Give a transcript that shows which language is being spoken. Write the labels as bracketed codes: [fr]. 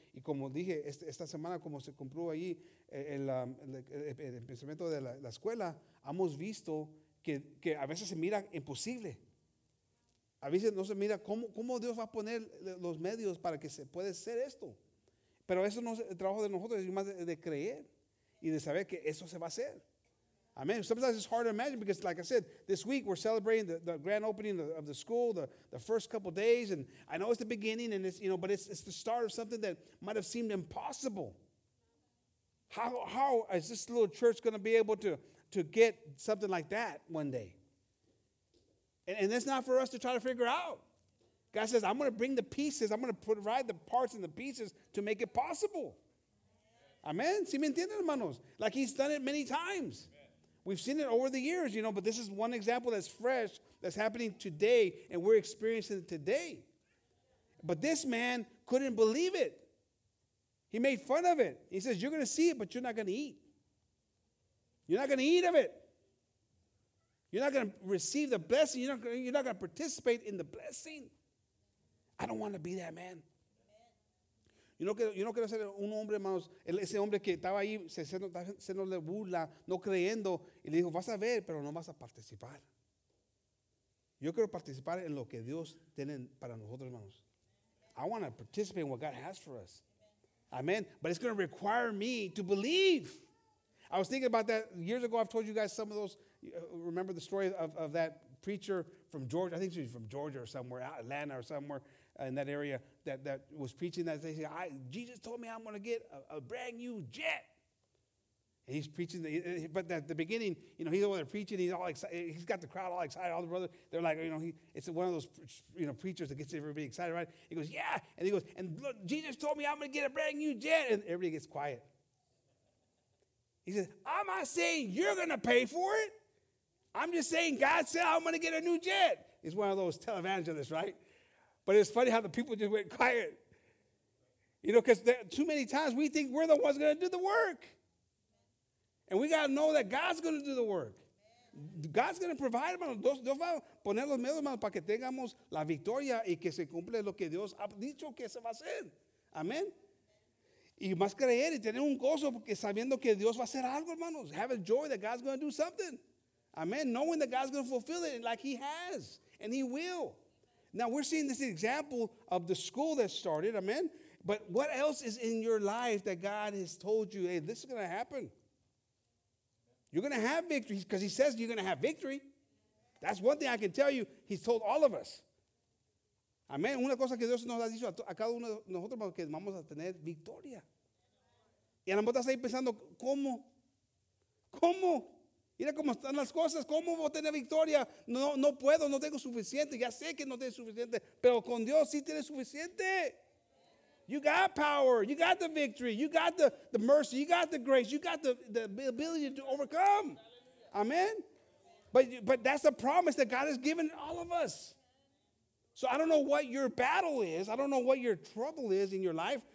[es] Y como dije, esta semana, como se cumplió allí el pensamiento de la escuela, hemos visto que a veces se mira imposible. A veces no se mira cómo Dios va a poner los medios para que se pueda hacer esto. Pero eso no es el trabajo de nosotros, es más de creer y de saber que eso se va a hacer. Amen. [en] Sometimes it's hard to imagine because, like I said, this week we're celebrating the grand opening of the school, the first couple days, and I know it's the beginning, and it's the start of something that might have seemed impossible. How is this little church going to be able to get something like that one day? And that's not for us to try to figure out. God says, I'm going to bring the pieces. I'm going to provide the parts and the pieces to make it possible. Amen. [es] ¿Sí me entienden, hermanos? [en] Like he's done it many times. We've seen it over the years, you know, but this is one example that's fresh, that's happening today, and we're experiencing it today. But this man couldn't believe it. He made fun of it. He says, you're going to see it, but you're not going to eat. You're not going to eat of it. You're not going to receive the blessing. You're not going to participate in the blessing. I don't want to be that man. [es] Yo no quiero ser un hombre, hermanos, ese hombre que estaba ahí haciéndole burla, no creyendo, y le dijo, vas a ver, pero no vas a participar. Yo quiero participar en lo que Dios tiene para nosotros, hermanos. [en] I want to participate in what God has for us. Amen. But it's going to require me to believe. I was thinking about that years ago. I've told you guys some of those. Remember the story of that preacher from Georgia? I think she was from Georgia or somewhere, Atlanta or somewhere. In that area that was preaching that they said, Jesus told me I'm going to get a brand new jet. And he's preaching. But at the beginning, you know, he's over there preaching. He's all excited. He's got the crowd all excited. All the brothers, they're like, you know, it's one of those, you know, preachers that gets everybody excited, right? He goes, yeah. And he goes, and look, Jesus told me I'm going to get a brand new jet. And everybody gets quiet. He says, I'm not saying you're going to pay for it. I'm just saying God said I'm going to get a new jet. He's one of those televangelists, right? But it's funny how the people just went quiet. You know, because too many times we think we're the ones going to do the work. And we got to know that God's going to do the work. God's going to provide, hermanos. [es] Dios va a poner los medios, hermanos, para que tengamos la victoria y que se cumple lo que Dios ha dicho que se va a hacer. Amen. Y más creer y tener un gozo porque sabiendo que Dios va a hacer algo, hermanos. [en] Have a joy that God's going to do something. Amen. Knowing that God's going to fulfill it like he has. And he will. Now, we're seeing this example of the school that started, amen? But what else is in your life that God has told you, hey, this is going to happen? You're going to have victory because he says you're going to have victory. That's one thing I can tell you he's told all of us. Amen? [es] Una cosa que Dios nos ha dicho a cada uno de nosotros es que vamos a tener victoria. Y a lo mejor estás ahí pensando, ¿cómo? ¿Cómo? Mira cómo están las cosas, cómo voy a tener victoria. No puedo, no tengo suficiente. Ya sé que no tengo suficiente, pero con Dios sí tienes suficiente. [en] You got power, you got the victory, you got the mercy, you got the grace, you got the ability to overcome. Amen. But that's a promise that God has given all of us. So I don't know what your battle is. I don't know what your trouble is in your life